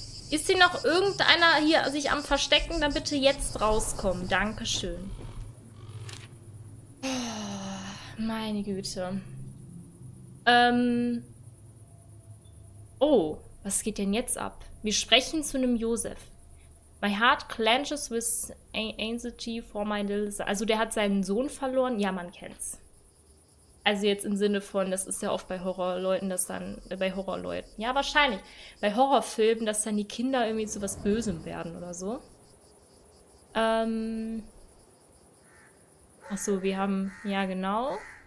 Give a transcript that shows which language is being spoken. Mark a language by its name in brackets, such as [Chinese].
[German] Ist hier noch irgendeiner hier sich am Verstecken? Dann bitte jetzt rauskommen. Dankeschön. Meine Güte. Oh, was geht denn jetzt ab? Wir sprechen zu einem Josef. [English] My heart clenches with anxiety for my little son. [German] Also der hat seinen Sohn verloren. Ja, man kennt's. Also jetzt im Sinne von, das ist ja oft bei Horrorleuten, dass dann, bei Horrorleuten, ja wahrscheinlich, bei Horrorfilmen, dass dann die Kinder irgendwie zu was Bösem werden oder so. Achso, wir haben, ja genau.